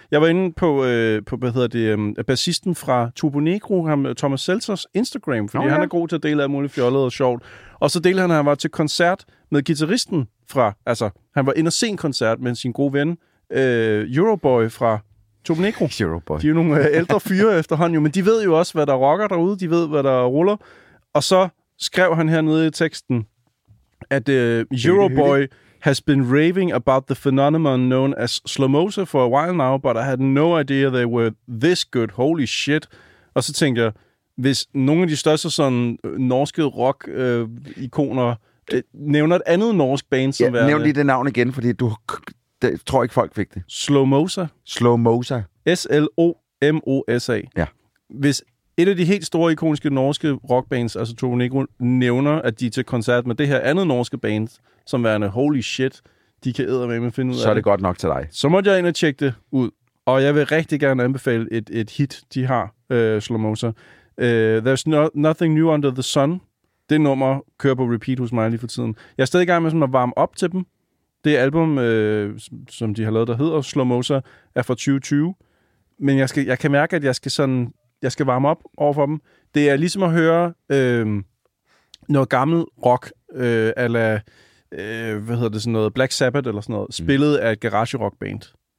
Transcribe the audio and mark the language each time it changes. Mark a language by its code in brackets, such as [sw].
[da] Jeg var inde på hvad hedder det, bassisten fra Turbo Negro, ham, Thomas Seltzers Instagram, fordi han er god til at dele af muligt fjollet og sjovt. Og så delte han var til koncert med guitaristen fra, altså han var ind og se en koncert med sin gode ven, Euroboy fra Turbo Negro. Euroboy. De er jo nogle ældre fyre efterhånden, men de ved jo også, hvad der rocker derude, de ved, hvad der ruller. Og så skrev han hernede i teksten, at [en] Euroboy has been raving about the phenomenon known as Slowmosa for a while now, but I had no idea they were this good. Holy shit. [da] Og så tænkte jeg, hvis nogle af de største sådan norske rock-ikoner nævner et andet norsk band, som værende... Nævn lige det navn igen, fordi du... Det tror ikke, folk fik det. Slowmosa. Slowmosa. S-L-O-M-O-S-A. Ja. Hvis et af de helt store ikoniske norske rockbands, altså Turbo Negro, nævner, at de er til koncert med det her andet norske band, som værende [en] holy shit, [da] de kan eddermame finde ud af det. Så er det godt nok til dig. Så måtte jeg ind og tjekke det ud. Og jeg vil rigtig gerne anbefale et hit, de har, Slowmosa. [en] There's nothing new under the sun. [da] Det nummer kører på repeat hos mig lige for tiden. Jeg er stadig i gang med sådan at varme op til dem. Det album, som de har lavet, der hedder Slow Mosa, er fra 2020. Men jeg kan mærke, at jeg skal varme op overfor dem. Det er ligesom at høre noget gammel rock, hvad hedder det, sådan noget Black Sabbath eller sådan noget, spillet af et garage rock band.